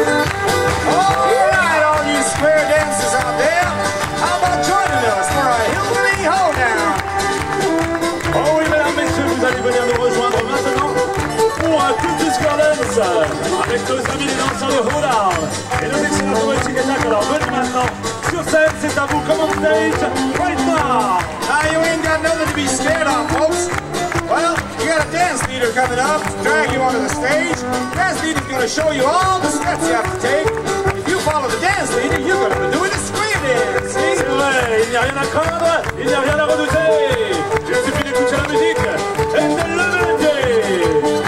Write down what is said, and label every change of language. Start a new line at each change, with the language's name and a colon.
English: All right, all you square dancers out there, how about joining us for a hillbilly hoedown?
French: Oh oui, mesdames, messieurs, vous allez venir nous rejoindre maintenant. Pour un tout discordance avec nos amis les danseurs de Hoedown et nos excellents domestiques et tacles. Alors venez maintenant sur scène, c'est à vous,
English: come on stage, right now. Now you ain't got nothing to be scared of, folks. Well, you got a dance leader coming up to drag you onto the stage. Dance leader's gonna show you all the steps you have to take. If you follow the dance leader, you're gonna be doing the square dance.
French: C'est vrai, il n'y a rien à craindre, il n'y a rien à redouter. Il suffit d'écouter la musique et de lever.